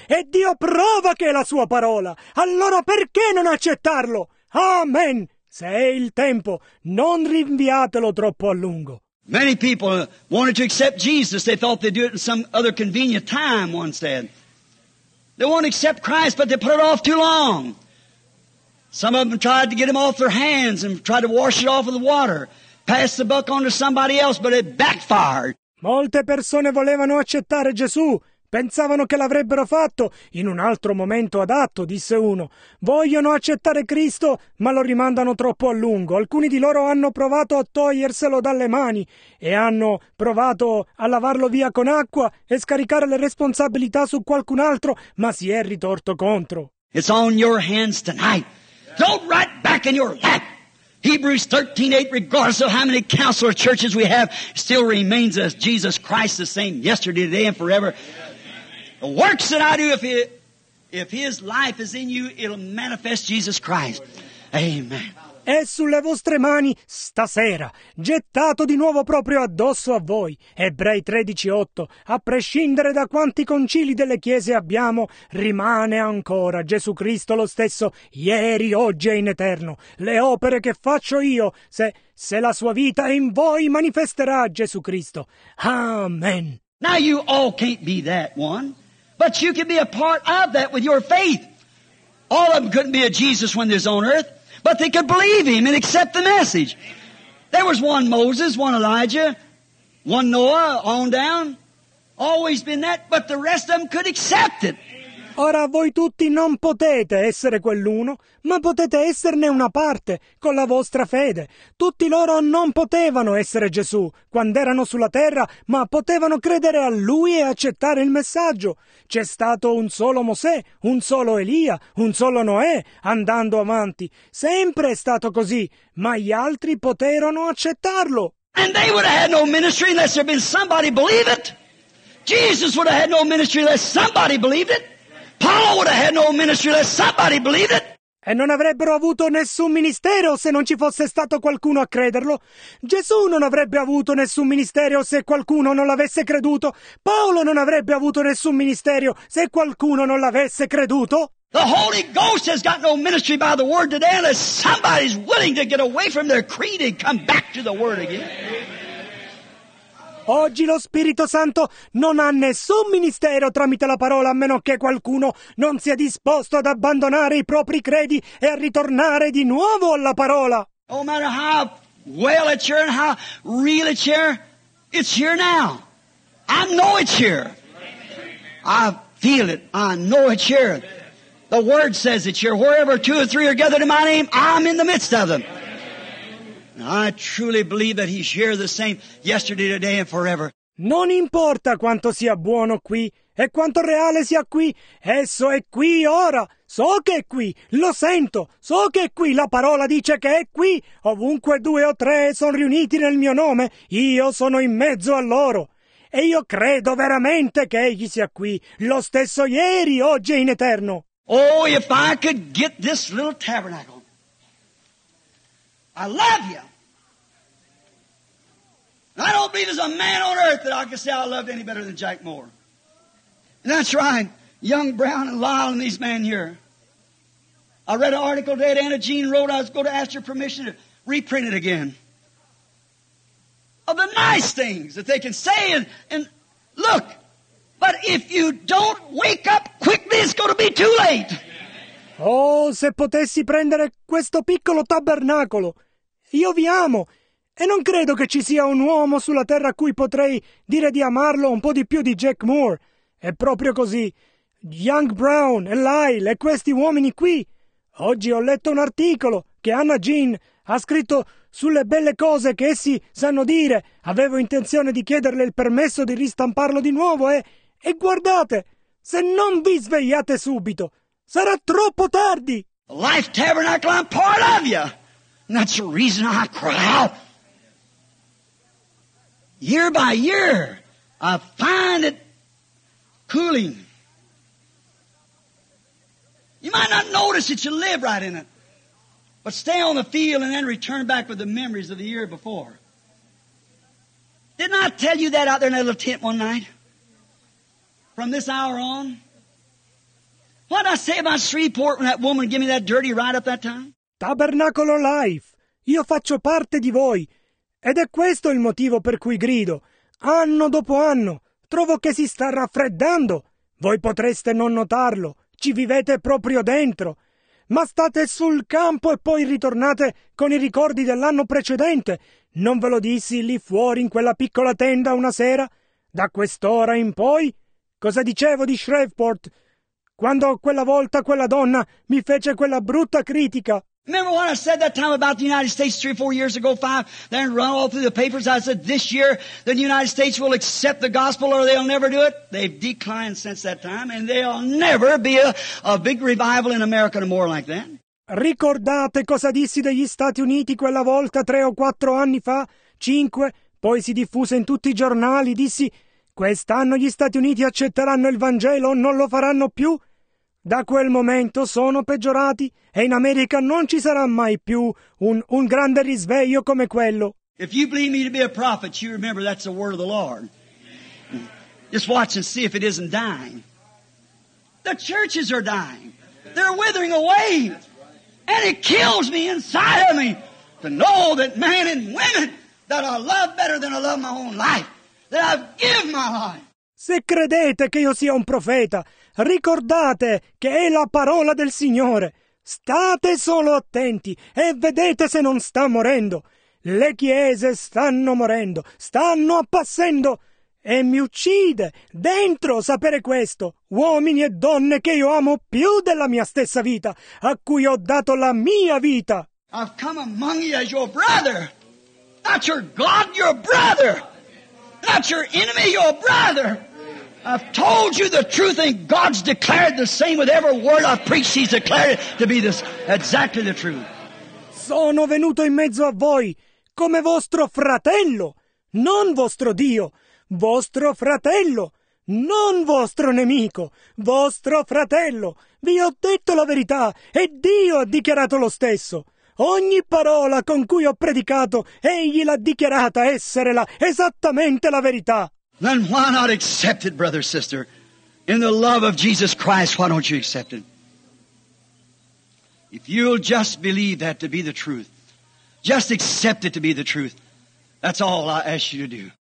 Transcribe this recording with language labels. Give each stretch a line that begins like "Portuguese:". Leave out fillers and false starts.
Italian: E Dio prova che è la sua parola. Allora perché non accettarlo? Amen! Se è il tempo, non rinviatelo troppo a lungo.
English: Many people wanted to accept Jesus. They thought they'd do it in some other convenient time, one said. They won't accept Christ, but they put it off too long. Some of them tried to get him off their hands and tried to wash it off with water, pass the buck on to somebody else, but it backfired.
Italian: Molte persone volevano accettare Gesù. Pensavano che l'avrebbero fatto in un altro momento adatto, disse uno. Vogliono accettare Cristo, ma lo rimandano troppo a lungo. Alcuni di loro hanno provato a toglierselo dalle mani e hanno provato a lavarlo via con acqua e scaricare le responsabilità su qualcun altro, ma si è ritorto contro.
English: It's on your hands tonight. Don't write back in your lap. Hebrews 13:8, regardless of how many council or churches we have, still remains as Jesus Christ the same yesterday, today, and forever. The works that I do, if His life is in you, it'll manifest Jesus Christ. Amen.
Italian: È sulle vostre mani stasera, gettato di nuovo proprio addosso a voi. Ebrei 13:8, a prescindere da quanti concili delle chiese abbiamo, rimane ancora Gesù Cristo lo stesso, ieri, oggi e in eterno. Le opere che faccio io, se la sua vita è in voi, manifesterà Gesù Cristo. Amen.
English: Now you all can't be that one, but you can be a part of that with your faith. All of them couldn't be a Jesus when they're on earth. But they could believe him and accept the message. There was one Moses, one Elijah, one Noah, on down. Always been that, but the rest of them could accept it.
Italian: Ora voi tutti non potete essere quell'uno, ma potete esserne una parte con la vostra fede. Tutti loro non potevano essere Gesù quando erano sulla terra, ma potevano credere a lui e accettare il messaggio. C'è stato un solo Mosè, un solo Elia, un solo Noè, andando avanti. Sempre è stato così, ma gli altri poterono accettarlo.
English: And they would have had no ministry unless there had been somebody believe it. Jesus would have had no ministry unless somebody believed it. Paul would have had no ministry unless somebody believed it.
Italian: E non avrebbero avuto nessun ministero se non ci fosse stato qualcuno a crederlo. Gesù non avrebbe avuto nessun ministero se qualcuno non l'avesse creduto. Paolo non avrebbe avuto nessun ministero se qualcuno non l'avesse creduto.
English: The Holy Ghost has got no ministry by the word today unless somebody's willing to get away from their creed and come back to the word again.
Italian: Oggi lo Spirito Santo non ha nessun ministero tramite la parola a meno che qualcuno non sia disposto ad abbandonare i propri credi e a ritornare di nuovo alla parola.
English: No matter how well it's here and how real it's here now. I know it's here. I feel it. I know it's here. The word says it's here. Wherever two or three are gathered in my name, I'm in the midst of them. I truly believe that he's here the same yesterday, today and forever.
Italian: Non importa quanto sia buono qui e quanto reale sia qui, esso è qui ora. So che è qui, lo sento, so che è qui, la parola dice che è qui. Ovunque due o tre sono riuniti nel mio nome, io sono in mezzo a loro. E io credo veramente che egli sia qui, lo stesso ieri, oggi e in eterno.
English: Oh, if I could get this little tabernacle. I love you. I don't believe there's a man on earth that I can say I loved any better than Jack Moore. And that's right, young Brown and Lyle and these men here. I read an article that Anna Jean wrote. I was going to ask your permission to reprint it again. Of the nice things that they can say and look, but if you don't wake up quickly, it's going to be too late.
Italian: Oh, se potessi prendere questo piccolo tabernacolo. Io vi amo e non credo che ci sia un uomo sulla terra a cui potrei dire di amarlo un po' di più di Jack Moore. È proprio così. Young Brown e Lyle e questi uomini qui. Oggi ho letto un articolo che Anna Jean ha scritto sulle belle cose che essi sanno dire. Avevo intenzione di chiederle il permesso di ristamparlo di nuovo e guardate, se non vi svegliate subito, sarà troppo tardi.
English: Life Tabernacle, I'm part of you. And that's the reason I cry out. Year by year, I find it cooling. You might not notice that you live right in it, but stay on the field and then return back with the memories of the year before. Didn't I tell you that out there in that little tent one night? From this hour on? What did I say about Shreveport when that woman gave me that dirty ride up that time?
Italian: Tabernacolo Life. Io faccio parte di voi, ed è questo il motivo per cui grido. Anno dopo anno, trovo che si sta raffreddando. Voi potreste non notarlo, ci vivete proprio dentro. Ma state sul campo e poi ritornate con i ricordi dell'anno precedente. Non ve lo dissi lì fuori in quella piccola tenda una sera? Da quest'ora in poi? Cosa dicevo di Shreveport? Quando quella volta quella donna mi fece quella brutta critica.
English: Remember what I said that time about the United States 3 or 4 years ago, 5? Then run all through the papers. I said, this year the United States will accept the gospel or they'll never do it. They've declined since that time and there'll never be a big revival in America no more like that.
Italian: Ricordate cosa dissi degli Stati Uniti quella volta 3 o 4 anni fa? 5? Poi si diffuse in tutti i giornali. Dissi, quest'anno gli Stati Uniti accetteranno il Vangelo o non lo faranno più? Da quel momento sono peggiorati e in America non ci sarà mai più un grande risveglio come quello.
English: If you believe me to be a prophet, you remember that's the word of the Lord. Just watch and see if it isn't dying. The churches are dying. They're withering away. And it kills me inside of me to know that men and women that I love better than I love my own life, that I've given my life.
Italian: Se credete che io sia un profeta, ricordate che è la parola del Signore. State solo attenti e vedete se non sta morendo. Le chiese stanno morendo, stanno appassendo e mi uccide dentro sapere questo. Uomini e donne che io amo più della mia stessa vita, a cui ho dato la mia vita.
English: I've come among you as your brother. Not your God, your brother. Not your enemy, your brother. I've told you the truth and God's declared the same with every word I've preached. He's declared it to be this, exactly the truth.
Italian: Sono venuto in mezzo a voi come vostro fratello, non vostro Dio, vostro fratello. non vostro nemico, vostro fratello. Vi ho detto la verità e Dio ha dichiarato lo stesso. Ogni parola con cui ho predicato, egli l'ha dichiarata essere la esattamente la verità.
English: Then why not accept it, brother, sister? In the love of Jesus Christ, why don't you accept it? If you'll just believe that to be the truth, just accept it to be the truth, that's all I ask you to do.